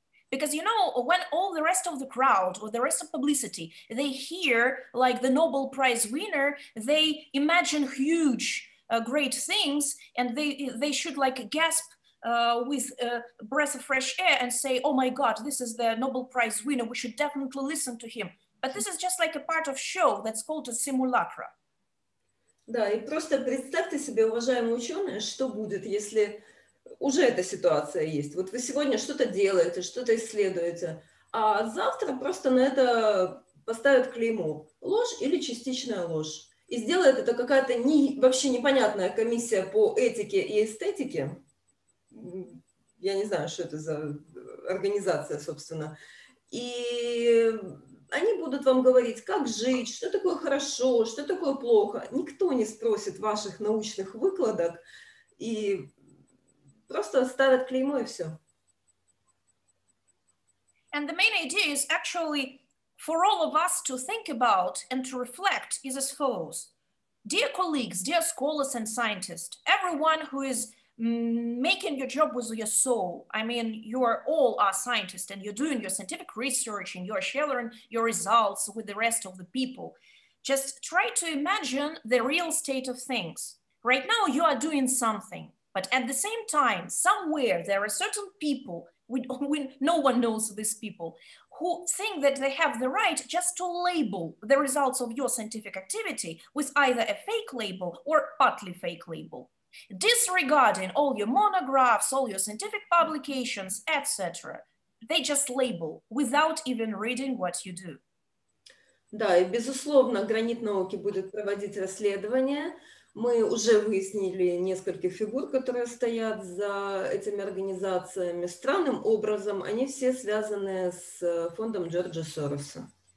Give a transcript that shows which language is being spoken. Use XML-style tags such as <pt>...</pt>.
<en>Because you know, when all the rest of the crowd or the rest of publicity, they hear like the Nobel Prize winner, they imagine huge, great things, and they should like gasp with a breath of fresh air and say, oh my God, this is the Nobel Prize winner, we should definitely listen to him. But this is just like a part of show that's called a simulacra.</en> <ru>Да, и просто представьте себе, уважаемые ученые, что будет, если уже эта ситуация есть. Вот вы сегодня что-то делаете, что-то исследуете, а завтра просто на это поставят клеймо «ложь» или «частичная ложь». И сделает это какая-то не, вообще непонятная комиссия по этике и эстетике. Я не знаю, что это за организация, собственно. И они будут вам говорить, как жить, что такое хорошо, что такое плохо. Никто не спросит ваших научных выкладок и просто ставят клеймо и все.</ru> <en>And the main idea is actually for all of us to think about and to reflect is as follows. Dear colleagues, dear scholars and scientists, everyone who is making your job with your soul. I mean, you are all are scientists and you're doing your scientific research and you're sharing your results with the rest of the people. Just try to imagine the real state of things. Right now you are doing something, but at the same time, somewhere there are certain people, we no one knows these people, who think that they have the right just to label the results of your scientific activity with either a fake label or partly fake label. Disregarding all your monographs, all your scientific publications, etc. They just label without even reading what you do.</en> <ru>Да, и безусловно, гранит науки будет проводить расследование. Мы уже выяснили несколько фигур, которые стоят за этими организациями. Странным образом, они все связаны с фондом Джорджа Сороса.</ru>